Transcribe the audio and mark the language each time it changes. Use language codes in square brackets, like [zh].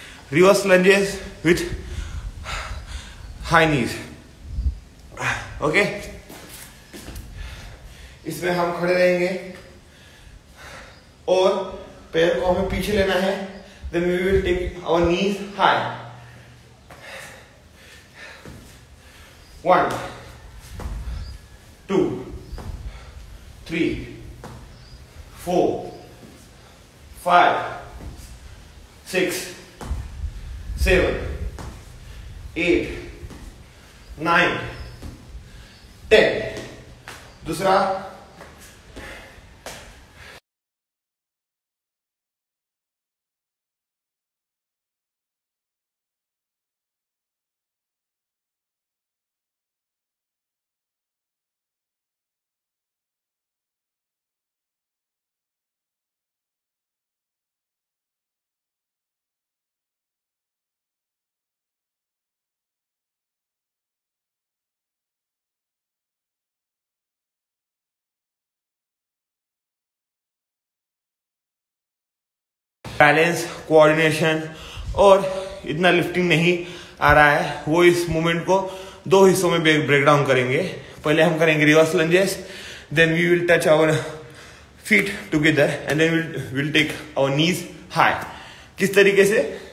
[en] reverse lunges with high knees. Okay? [hi] इसमें हम खड़े रहेंगे और पैर को हमें पीछे लेना है. [en] Then we will take our knees high. One, two, three, four, five, six, seven, eight, nine, ten. [hi] दूसरा बैलेंस कोऑर्डिनेशन और इतना लिफ्टिंग नहीं आ रहा है वो इस मूवमेंट को दो हिस्सों में ब्रेक डाउन करेंगे. पहले हम करेंगे [en] Reverse lunges, then we will touch our feet together and then will take our knees high. [hi] किस तरीके से